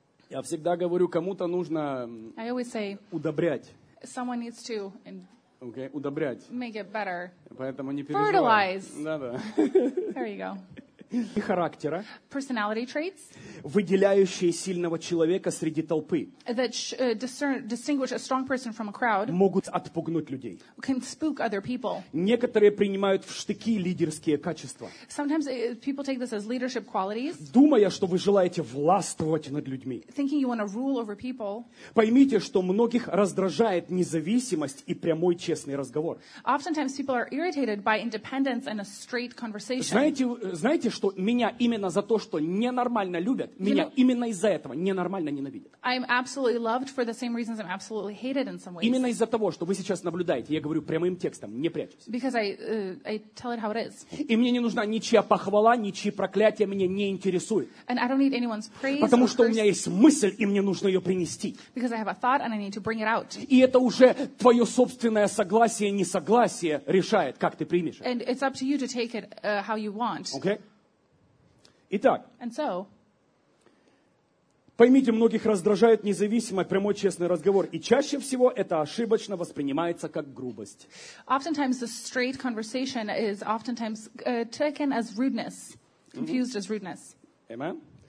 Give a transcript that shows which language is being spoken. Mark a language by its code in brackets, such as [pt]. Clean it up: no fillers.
[ru] Я всегда говорю, кому-то нужно [en] say, [ru] удобрять. [en] Someone needs to [ru] okay, удобрять. [en] Make it better. [ru] Поэтому не переживай. [en] Fertilize. [ru] Да-да. [en] There you go. [ru] и характера, [en] personality traits, [ru] выделяющие сильного человека среди толпы, [en] that distinguish a strong person from a crowd, [ru] могут отпугнуть людей. [en] Can spook other people. [ru] Некоторые принимают в штыки лидерские качества. [en] Sometimes people take this as leadership qualities, [ru] думая, что вы желаете властвовать над людьми. [en] Thinking you want to rule over people. [ru] Поймите, что многих раздражает независимость и прямой честный разговор. [en] Oftentimes people are irritated by independence and a straight conversation. [ru] Знаете, что меня именно за то, что ненормально любят, меня именно из-за этого ненормально ненавидят. [en] I'm absolutely loved for the same reasons I'm absolutely hated in some ways. [ru] Именно из-за того, что вы сейчас наблюдаете, я говорю прямым текстом, не прячусь. [en] Because I tell it how it is. [ru] И мне не нужна ничья похвала, ничьи проклятия, меня не интересует. [en] And I don't need anyone's praise. [ru] Потому что у меня есть мысль, и мне нужно ее принести. [en] Because I have a thought and I need to bring it out. [ru] И это уже твое собственное согласие, несогласие решает, как ты примешь. [en] And it's up to you to take it how you want. [ru] Okay. Итак. [en] And so. [ru] Поймите, многих раздражает независимый, прямой, честный разговор, и чаще всего это ошибочно воспринимается как грубость. [en] Oftentimes the straight conversation is oftentimes taken as rudeness, confused as rudeness. Amen.